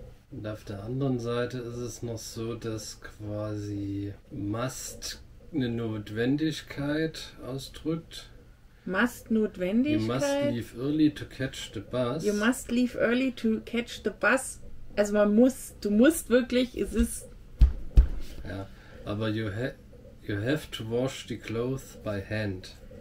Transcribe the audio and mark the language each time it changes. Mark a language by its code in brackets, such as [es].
[de] Und auf der anderen Seite ist es noch so, dass quasi must eine Notwendigkeit ausdrückt. Must Notwendigkeit. [en] You must leave early to catch the bus. You must leave early to catch the bus. [de] Also man muss, du musst wirklich, es ist... Ja, aber [en] you have to wash the clothes by hand.